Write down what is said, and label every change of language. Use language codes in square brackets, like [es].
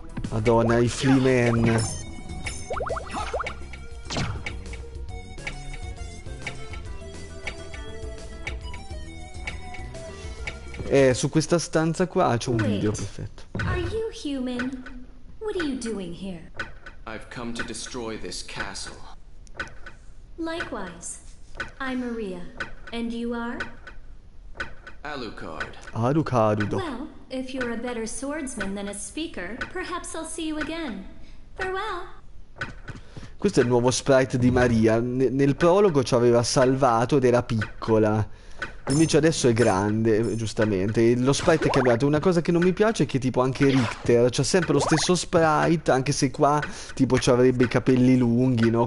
[it] Madonna, i Flimen. Su questa stanza qua c'è un video, perfetto. [en] Are you human? What are you doing here? I've come to destroy this castle. Likewise. I'm Maria. And you are? Alucard. Alucard. Well, if you're a better swordsman than a speaker, perhaps I'll see you again. Farewell. [it] Questo è il nuovo sprite di Maria. Nel prologo ci aveva salvato ed era piccola. Invece adesso è grande, giustamente. Lo sprite è cambiato. Una cosa che non mi piace è che tipo anche Richter c'ha sempre lo stesso sprite, anche se qua tipo ci avrebbe i capelli lunghi, no?